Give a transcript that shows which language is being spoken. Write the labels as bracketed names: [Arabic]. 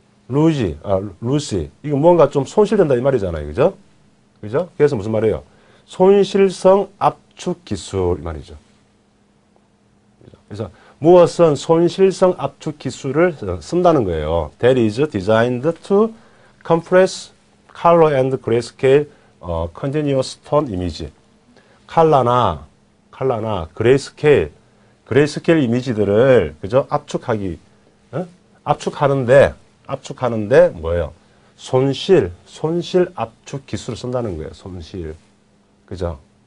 [English] lossy. [Korean] 이거 뭔가 좀 손실된다 이 말이잖아요. 그죠? 그죠? 그래서 무슨 말이에요? 손실성 압축 기술 말이죠. 그래서 무엇은 손실성 압축 기술을 쓴다는 거예요. [English] That is designed to compress color and grayscale continuous tone image. [Korean] 컬러나 그레이스케일 이미지들을 그죠? 압축하는데 뭐예요? 손실 압축 기술을 쓴다는 거예요. 손실. 그죠?